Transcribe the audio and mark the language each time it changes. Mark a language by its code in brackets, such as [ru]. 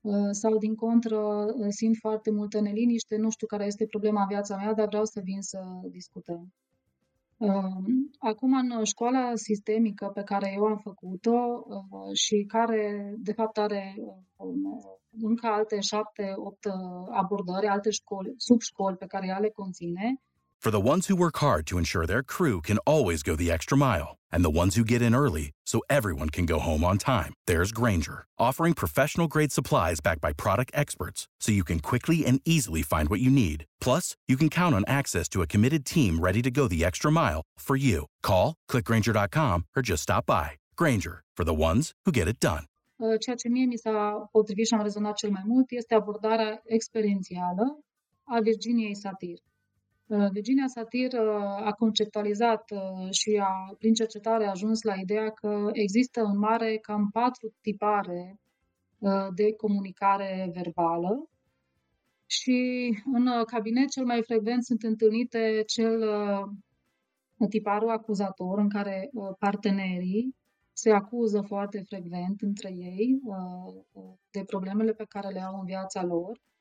[ro] sau din contră simt foarte multă neliniște, nu știu care este problema în viața mea, dar vreau să vin să discutăm. Acum, în școala sistemică pe care eu am făcut-o și care, de fapt, are încă alte 7-8 abordări, alte școli, subșcoli pe care ea le conține. [en] For the ones who work hard to ensure their crew can always go the extra mile, and the ones who get in early so everyone can go home on time, there's Grainger, offering professional-grade supplies backed by product experts so you can quickly and easily find what you need. Plus, you can count on access to a committed team ready to go the extra mile for you. Call, click Grainger.com, or just stop by. Grainger, for the ones who get it done. [ro] Ceea ce mie mi s-a potrivit și am rezonat cel mai mult este abordarea experiențială a Virginiei Satir. Virginia Satir a conceptualizat și a, prin cercetare a ajuns la ideea că există în mare cam 4 tipare de comunicare verbală și în cabinet cel mai frecvent sunt întâlnite cel tiparul acuzator în care partenerii se acuză foarte frecvent între ei de problemele pe care le au în viața lor.